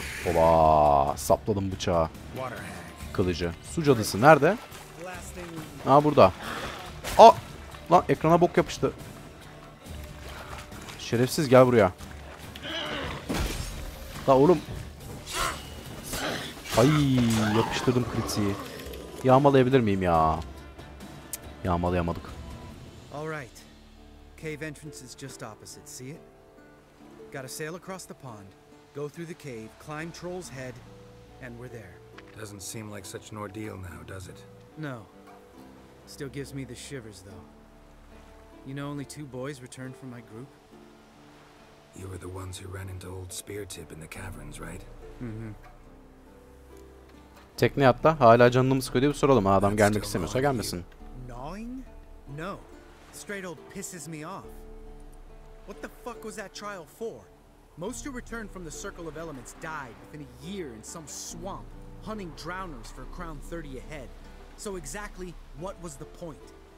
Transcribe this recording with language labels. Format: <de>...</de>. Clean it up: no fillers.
<tr>Oba, sapladım bıçağı. Kılıcı. Su cadısı nerede? Aa burada. Aa! Lan ekrana bok yapıştı. Şerefsiz gel buraya. La oğlum. Ay, yapıştırdım kritiği. Yağmalayabilir miyim ya? Yağmalayamadık.</tr> <en>All right. Cave entrance is just opposite. See it? Got to sail across the pond, go through the cave, climb Troll's head, and we're there. Doesn't seem like such an ordeal now, does it? No. Still gives me the shivers though. You know only 2 boys returned from my group. You were the ones who ran into old Speartip in the caverns, right? Mm-hmm.</en> <tr>Tekne atla. Hala canını mı sıkıyor diye bir soralım. Adam gelmek istemiyorsa gelmesin.</tr> <en>Gnawing? No. Straight old pisses me off. What the fuck was that trial for? Most who returned from the Circle of Elements died within a year in some swamp, hunting drowners for a crown 30 ahead. So exactly what was the point?</en>